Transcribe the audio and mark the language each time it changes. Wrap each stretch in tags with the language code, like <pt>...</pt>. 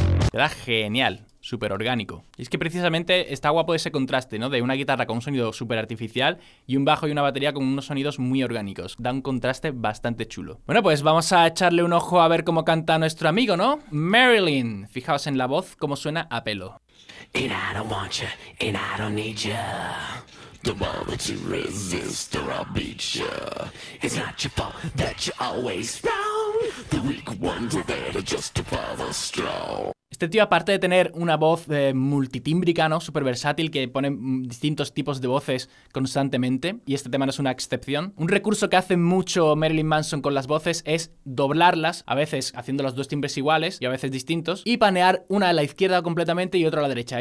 <es>Queda genial, súper orgánico. Y es que precisamente está guapo ese contraste, ¿no? De una guitarra con un sonido súper artificial y un bajo y una batería con unos sonidos muy orgánicos. Da un contraste bastante chulo. Bueno, pues vamos a echarle un ojo a ver cómo canta nuestro amigo, ¿no? Marilyn. Fijaos en la voz, cómo suena a pelo.</es> <en>And I don't want ya, and I don't need ya. The moment you resist or I'll beat ya. It's not your fault that you're always wrong. The weak ones are there just to prove us strong.</en> <es>Este tío, aparte de tener una voz multitímbrica, ¿no? Súper versátil, que pone distintos tipos de voces constantemente, y este tema no es una excepción. Un recurso que hace mucho Marilyn Manson con las voces es doblarlas, a veces haciendo los dos timbres iguales y a veces distintos, y panear una a la izquierda completamente y otra a la derecha.</es>